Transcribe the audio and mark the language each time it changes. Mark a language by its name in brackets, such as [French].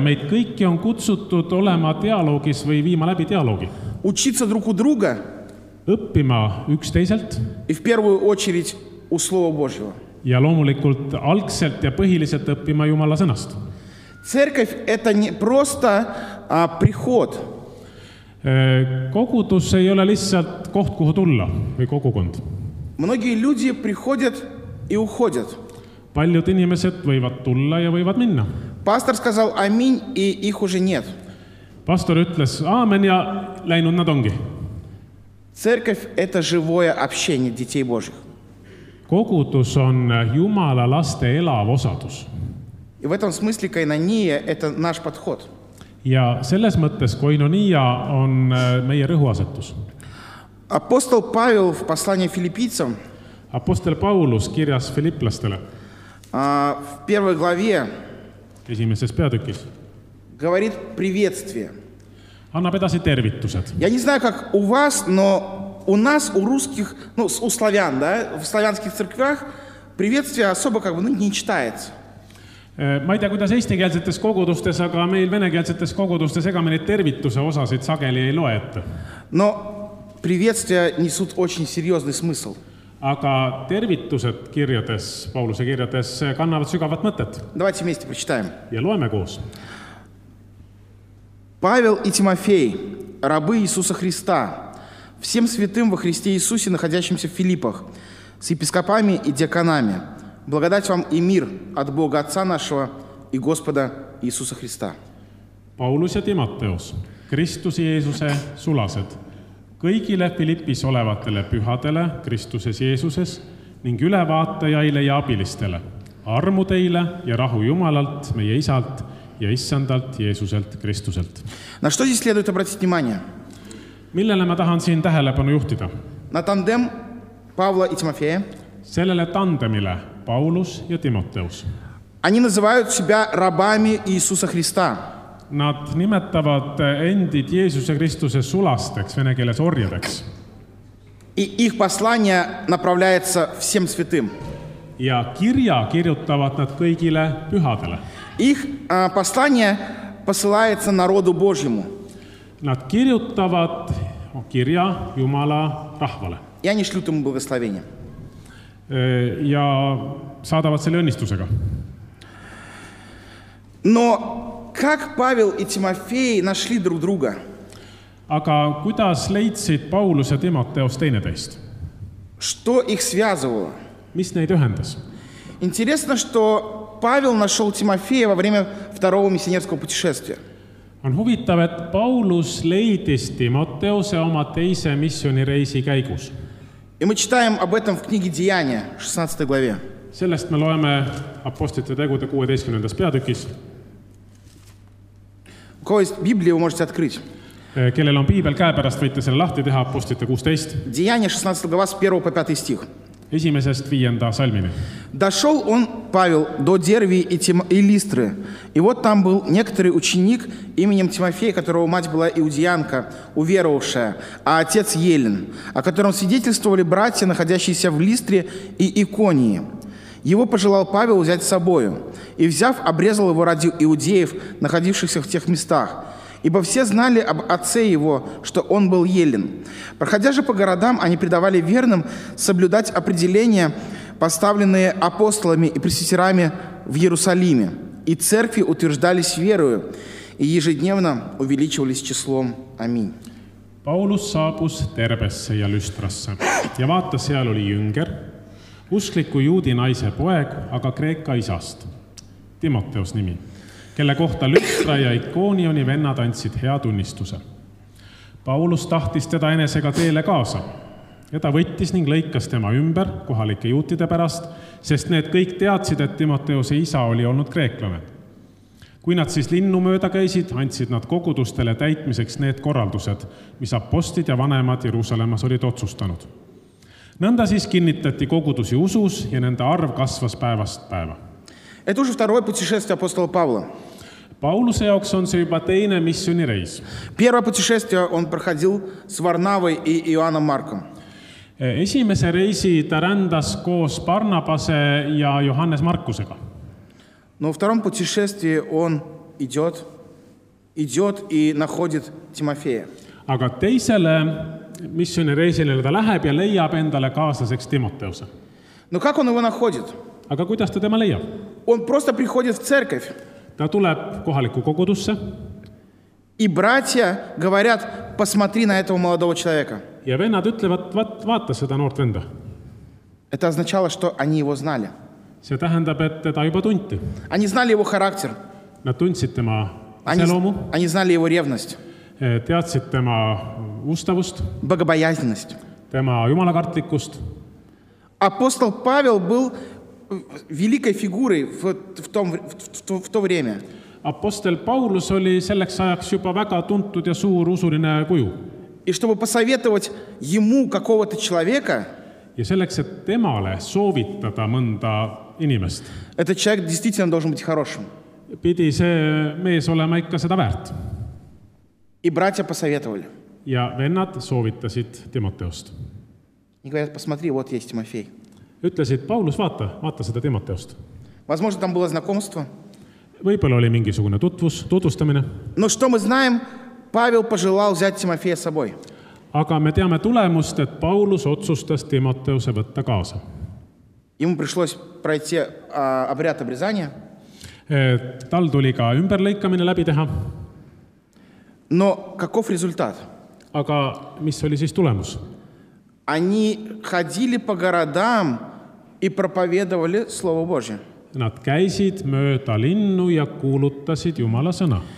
[Estonian] Meid kõiki on kutsutud olema dialoogis või viima läbi dialoogi. [Russian] Учиться друг у друга. [Estonian] Õppima üksteiselt. [Russian] И в первую очередь у Слова Божьего. [Estonian] Ja loomulikult algselt ja põhiliselt õppima Jumala sõnast. [Russian] Церковь – это не просто приход. [Estonian] Kogudus ei ole lihtsalt koht, kuhu tulla või kogukond. [Russian] Многие люди приходят и уходят. [Estonian] Paljud inimesed võivad tulla ja võivad minna. [Russian] Pastor сказал «Аминь» и их уже нет. [Estonian] Pastor ütles «Аамен» ja läinud nad ongi. [Russian] Церковь – это живое общение детей Божьих. [Estonian] Kogudus on Jumala laste elav osadus. [Russian] И в этом смысле koinonia – это наш подход. [Estonian] Ja selles mõttes koinonia on meie rõhuasetus. [Russian] Apostol Павел в послании филиппийцам. [Estonian] Apostel Paulus kirjas filipplastele. [Russian] В первой главе. [Estonian] Esimeses peatükis. [Russian] Говорит приветствие. [Estonian] Annab edasi tervitused. [Russian] Я не знаю, как у вас, но у нас, у русских, ну, у славян, да, в славянских церквях приветствие особо как бы ну, не читается. [Estonian] Ma ei tea, kuidas eestikeelsetes kogudustes, aga meil venekeelsetes kogudustes ega me neid tervituse osasid sageli ei loe ette. [Russian] No, приветствия несут очень серьезный смысл. [Estonian] Aga tervitused kirjades, Pauluse kirjades, kannavad sügavat mõtet. [Russian] Давайте вместе прочитаем. [Estonian] Ja loeme koos. [Russian] Павел и Тимофей, рабы Иисуса Христа, всем святым во Христе Иисусе, находящимся в Филиппах, с епископами и диаконами, благодать вам и мир от Бога Отца нашего и Господа Иисуса Христа. [Estonian] Paulus ja Timoteus, Kristus Jeesuse sulased, kõigile Filippis olevatele pühadele Kristuses Jeesuses, ning ülevaatajaile ja abilistele. Armu teile ja rahu Jumalalt, meie Isalt ja Issandalt, Jeesuselt, Kristuselt. [Russian] На что здесь следует обратить внимание? [Estonian] Millele ma tahan siin tähelepanu juhtida? [Russian] На тандем Павла и Тимофея. [Estonian] Sellele tandemile Paulus ja Timoteus. [Russian] Они называют себя рабами Иисуса Христа. [Estonian] Nad nimetavad endid Jeesuse Kristuse sulasteks, vene keeles orjadeks. [Russian] И их послание направляется всем святым. [Estonian] Ja kirja kirjutavad nad kõigile pühadele. [Russian] Их послание посылается народу Божьему. [Estonian] Nad kirjutavad kirja Jumala rahvale. [Russian] И они шлют ему благословение. [Estonian] Ja saadavad selle õnnistusega. [Russian] Но как Павел и Тимофей нашли друг друга? [Estonian] Aga kuidas leidsid Paulus ja Timoteus teineteist? [Russian] Что их связывало? [Estonian] Mis neid ühendas? [Russian] Интересно, что Павел нашел Тимофея во время второго миссионерского путешествия. [Estonian] On huvitav, et Paulus leidis Timoteuse oma teise missioonireisi käigus. [Russian] И мы читаем об этом в книге Деяния, 16 главе. [Estonian] Sellest me loeme Apostlite tegude 16. Peatükis. [Russian] У кого есть Библия, вы можете открыть. [Estonian] Kellel on Piibel käepärast, võite selle lahti teha Apostlite 16. [Russian] Деяния 16 глава 1 по 5 стих. [Estonian] Esimesest viienda salmini. [Russian] Дошел он, Павел, до Дерви и Листры. И вот там был некоторый ученик именем Тимофей, которого мать была иудеянка, уверовавшая, а отец Елен, о котором свидетельствовали братья, находящиеся в Листре и Иконии. Его пожелал Павел взять с собою, и, взяв, обрезал его ради иудеев, находившихся в тех местах. Ибо все знали об отце его, что он был елен. Проходя же по городам, они предавали верным соблюдать определения, поставленные апостолами и пресвитерами в Иерусалиме. И церкви утверждались верою, и ежедневно увеличивались числом. Аминь. [Estonian] Paulus saabus Derbesse ja Lystrasse. Ja vaata, seal oli jünger, uskliku juudi naise poeg, aga kreeka isast. Timoteus nimi. Kelle kohta Lystra ja Ikoonioni vennad andsid hea tunnistuse. Paulus tahtis teda enesega teele kaasa. Ja ta võttis ning lõikas tema ümber kohalike juutide pärast, sest need kõik teadsid, et Timoteuse isa oli olnud kreeklane. Kui nad siis linnu mööda käisid, andsid nad kogudustele täitmiseks need korraldused, mis apostid ja vanemad Jerusalemas olid otsustanud. Nõnda siis kinnitati kogudusi usus ja nende arv kasvas päevast päeva. [Russian] Это уже второе путешествие апостола Павла. [Estonian] Paulusе jaoks on see juba teine missiooni reis. [Russian] Первое путешествие он проходил с Варнавой и Иоанном Марком. [Estonian] Esimese reisi ta rändas koos Barnabase ja Johannes Markusega. [Russian] Но во втором путешествии он идет и находит Тимофея. [Estonian] Aga teisele missiooni reisile ta läheb ja leiab endale kaaslaseks Timoteuse. [Russian] Но как он его находит? [Estonian] Aga kuidas ta tema leiab? [Russian] Он просто приходит в церковь. [Estonian] Ta tuleb kohaliku kogudusse. [Russian] И братья говорят: "Посмотри на этого молодого человека". [Estonian] Ja vennad ütlevad: "Vaata seda noort venda". [Russian] Это означало, что они его знали. [Estonian] See tähendab, et teda juba tunti. [Russian] Они знали его характер. [Estonian] Nad tundsid tema iseloomu. [Russian] Они знали его ревность. [Estonian] Teadsid tema ustavust. [Russian] Богобоязненность. [Estonian] Tema jumalakartlikust. [Russian] Апостол Павел был великой фигурой в то время. [Estonian] Апостол Паулус oli selleks ajaks juba väga tuntud ja suur usuline kuju. [Russian] И чтобы посоветовать ему какого-то человека, [Estonian] ja selleks, et temale soovitada mõnda inimest, [Russian] этот человек действительно должен быть хорошим. [Estonian] Pidi see mees olema ikka seda väärt. [Russian] И братья посоветовали. [Estonian] Ja vennad soovitasid Timoteust. [Russian] И говорят: "Посмотри, вот есть Тимофей". [Estonian] Ütlesid: "Paulus, vaata seda Timoteust". [Russian] Возможно, там было знакомство. [Estonian] Võib-olla oli mingisugune tutvustamine. [Russian] Но что мы знаем, Павел пожелал взять Тимофея с собой. [Estonian] Aga me teame tulemust, et Paulus otsustas Timoteuse võtta kaasa. [Russian] Ему пришлось пройти обряд обрезания. [Estonian] Tal tuli ka ümberlõikamine läbi teha. [Russian] Но каков результат? [Estonian] Aga mis oli siis tulemus? [Russian] Они ходили по городам и проповедовали Слово Божие. [Estonian] Nad käisid mööda linnu ja kuulutasid Jumala sõna.